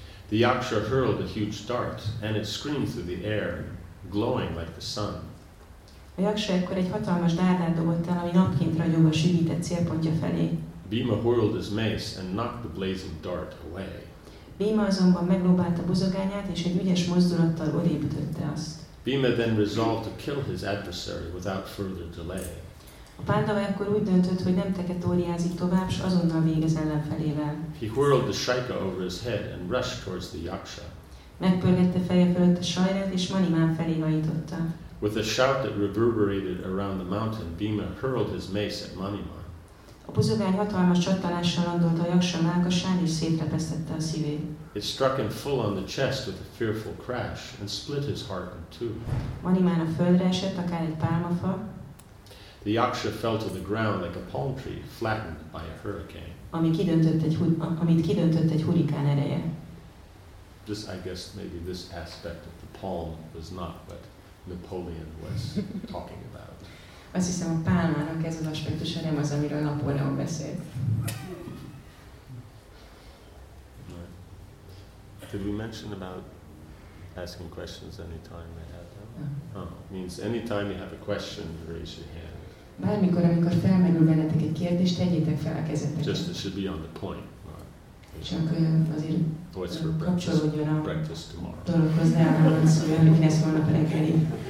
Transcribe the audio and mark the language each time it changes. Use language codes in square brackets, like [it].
[en] The yaksha hurled a huge dart, and it screamed through the air, glowing like the sun. [hu] A yaksa ekkor egy hatalmas dárdát dobott el, ami napként ragyogva sűrített célpontja felé. [en] Bhima hurled his mace and knocked the blazing dart away. [hu] Bhima azonban meglobálta buzogányát, és egy ügyes mozdulattal odébb ütötte azt. [en] Bhima then resolved to kill his adversary without further delay. [hu] A Pandava ekkor úgy döntött, hogy nem teketóriázik tovább, s azonnal végez ellenfelével. [en] He hurled the shaika over his head and rushed towards the yaksa. [hu] Megpörgette feje fölött a sajrát, és Maniman felé hajította. [en] With a shout that reverberated around the mountain, Bhima hurled his mace at Maniman. [hu] A buzogány hatalmas csattanással landolt a yaksa mellkasán, és szétrepesztette a szívét. [en] It struck him full on the chest with a fearful crash and split his heart in two. [hu] Maniman a földre esett, akár egy pálmafa. [en] The yaksha fell to the ground like a palm tree flattened by a hurricane. [hu] Amit kidöntött egy hurikán ereje. [en] This, I guess, maybe this aspect of the palm was not, but Napoleon was talking about. [hu] Azt hiszem, a pálmának ez az aspektusa nem az, amiről Napóleon beszélt. [en] Did we mention about asking questions anytime they have them? No. Oh, means anytime you have a question, raise your hand. [hu] Bármikor, amikor felmerül bennetek egy kérdést, tegyétek fel a kezeteket. [en] Just it should be on the point. Right? [hu] Csak azért kapcsolódjon a dologhoz, ne állandóan szóljon, hogy lesz holnap reggeli.